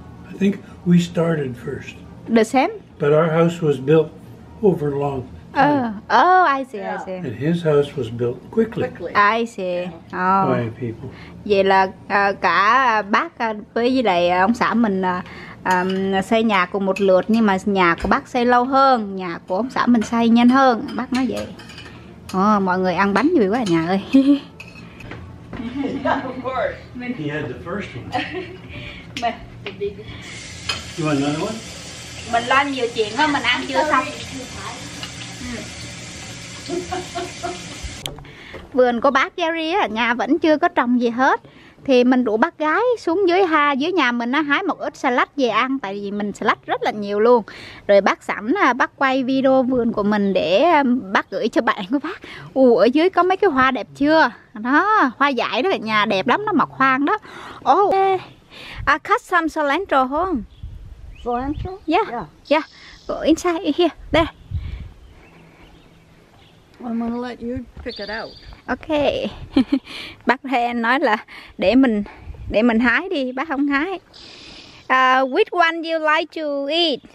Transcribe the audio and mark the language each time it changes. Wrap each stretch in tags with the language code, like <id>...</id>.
<en>I think we started first. The same? But our house was built over long time. Oh, I see. And his house was built quickly. I see. Yeah. Oh. By people.</en> <vi>Vậy là cả bác với lại ông xã mình xây nhà cùng một lượt, nhưng mà nhà của bác xây lâu hơn, nhà của ông xã mình xây nhanh hơn. Bác nói vậy. Oh, mọi người ăn bánh vui quá à, nhà ơi.</vi> <en>Yeah, of course. He had the first one. You want another one?</en> <vi>Mình lo nhiều chuyện hơn, mình ăn chưa xong. Vườn của bác Jerry á, nhà vẫn chưa có trồng gì hết. Thì mình rủ bác gái xuống dưới ha, dưới nhà mình á, hái một ít salad về ăn. Tại vì mình salad rất là nhiều luôn. Rồi bác sẵn bác quay video vườn của mình để bác gửi cho bạn của bác. Ồ, ở dưới có mấy cái hoa đẹp chưa? Đó, hoa dại đó, nhà đẹp lắm, nó mọc hoang đó.</vi> <en>Oh, I cut some cilantro home. Cilantro? Yeah. Go inside here, there. I'm gonna let you pick it out. Okay.</en> <vi>Bác Hen nói là để mình hái đi, bác không hái.</vi> <en>Which one you like to eat?</en>